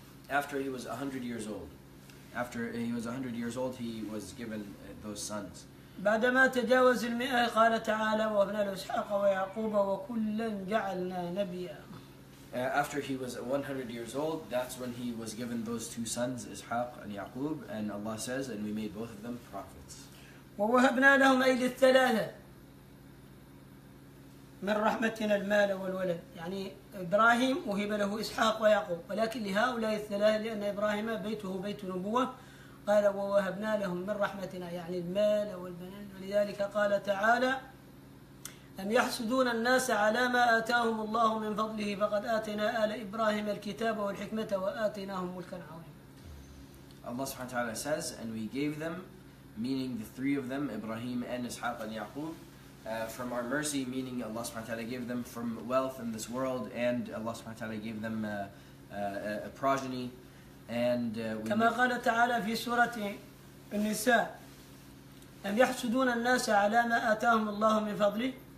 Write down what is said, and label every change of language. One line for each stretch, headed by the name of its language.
English: After he was 100 years old. After he was 100 years old, he was given those sons.
Arabic: بعدما تجاوز المئة قال تعالى وابن إسحاق ويعقوب وكلن جعلنا نبيا.
English: After he was 100 years old, that's when he was given those two sons, Ishaq and Ya'qub, and Allah says, and we made both of them prophets.
Arabic: ووهبنا لهم أي للثلاثة من رحمتنا المال والولد يعني إبراهيم وهب له إسحاق ويعقوب ولكن لهؤلاء الثلاثة لأن إبراهيم بيته بيت نبوة قال ووهبنا لهم من رحمتنا يعني المال والبنين ولذلك قال تعالى أم يحسدون الناس على ما آتاهم الله من فضله فقد آتنا آل إبراهيم الكتاب والحكمة وآتناهم ملكا عظيما.
English: Allah subhanahu wa ta'ala says, and we gave them, meaning the three of them, Ibrahim and Ishaq and Yaqub, from our mercy, meaning Allah subhanahu wa ta'ala gave them from wealth in this world, and Allah subhanahu wa ta'ala gave them a progeny. And
Arabic: كما قال تعالى في سورة النساء أم يحسدون الناس على ما آتاهم الله من فضله.